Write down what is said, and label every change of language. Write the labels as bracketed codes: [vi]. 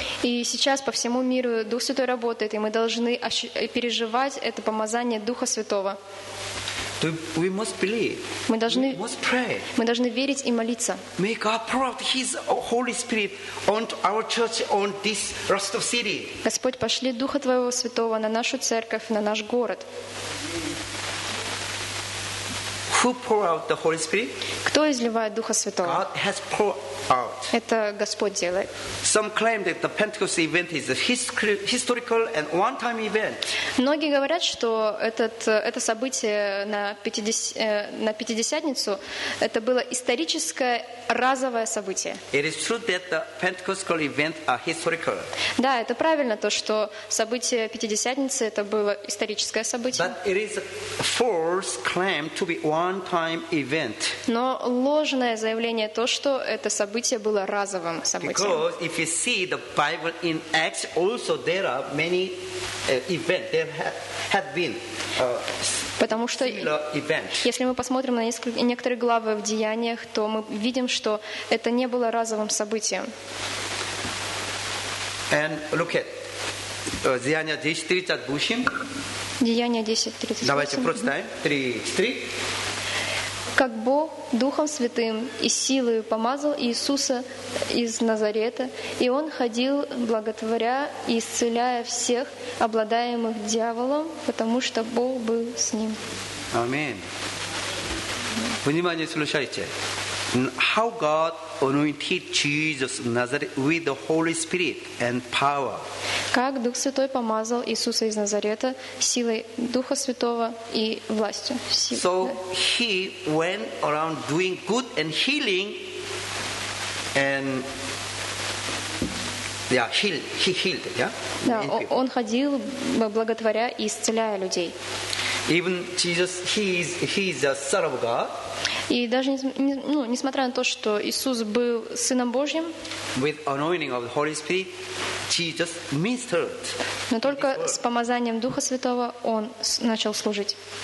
[ru] И сейчас по всему миру Дух Святой работает, и мы должны переживать это помазание Духа Святого. [en] We must believe. We must pray. [ru] Мы должны верить и молиться. [en] May God pour out His Holy Spirit on our church, on this Rostov city. [ru] Господь, пошли Духа Твоего Святого на нашу церковь, на наш город. [en] Who pour out the Holy Spirit? [ru] Кто изливает Духа Святого? [en] God has poured out. [ru] Это Господь делает. [en] Some claim that the Pentecost event is a historical and one-time event. [ru] Многие говорят, что это событие на Пятидесятницу это было историческое разовое событие. [en] It is true that the Pentecostal event are historical. [ru] Да, это правильно то, что событие Пятидесятницы это было историческое событие. [en] But it is a false claim to be one-time event. [ru] Но ложное заявление то, что это событие было разовым событием. [en] Because if you see the Bible in Acts, also there are many events. There have been. [ru] Потому что если мы посмотрим на некоторые главы в Деяниях, то мы видим, что это не было разовым событием. [en] And look at Деяния 10:38. [ru] Деяния 10:38. Давайте прочитаем. 3:3. Как Бог Духом Святым и силою помазал Иисуса из Назарета, и Он ходил, благотворя и исцеляя всех, обладаемых дьяволом, потому что Бог был с Ним. Аминь. Внимание, слушайте. [en] How God anointed Jesus Nazareth with the Holy Spirit and power. [ru] Как Дух Святой помазал Иисуса из Назарета силой Духа Святого и властью. [en] So he went around doing good and healing, and yeah, he healed, yeah. [ru] Да, он ходил благотворя и исцеляя людей. [en] Even Jesus, he is the Son of God. [ru] И даже несмотря на то, что Иисус был Сыном Божьим, [en] with anointing of the Holy Spirit, Jesus ministered. [ru] Но только с помазанием Духа Святого Он начал служить.